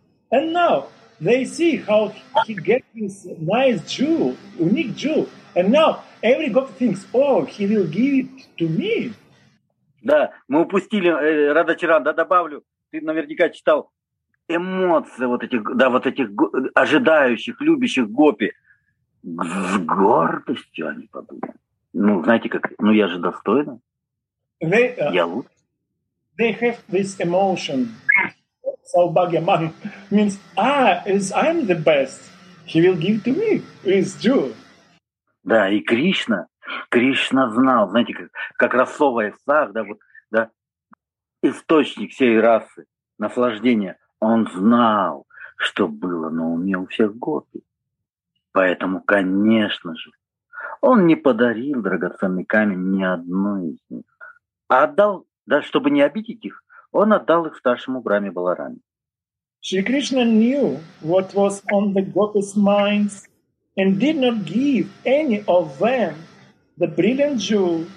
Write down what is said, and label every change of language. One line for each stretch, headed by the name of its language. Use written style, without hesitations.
English: And now they see how he gets this nice jewel, unique jewel. And now every gopi thinks, oh, he will give it to me.
Russian: Да, мы упустили, Радачаран, да, добавлю. Ты наверняка читал, эмоции вот этих, да, вот этих ожидающих, любящих гопи. С гордостью они подумают. Ну, знаете, как, ну я же достойна. Я лучше.
English: They have this emotion. Салбагеман means I'm the best. He will give to me. It's true.
Russian: Да, и Кришна. Кришна знал, знаете, как расовая сах, да, вот, да, источник всей расы, наслаждения. Он знал, что было на уме у всех гопи. Поэтому, конечно же, он не подарил драгоценный камень ни одной из них. А отдал, да, чтобы не обидеть их, он отдал их старшему Брахме Баларами. Шри Кришна
English: knew what was on the gopis' minds and did not give any of them the brilliant jewel.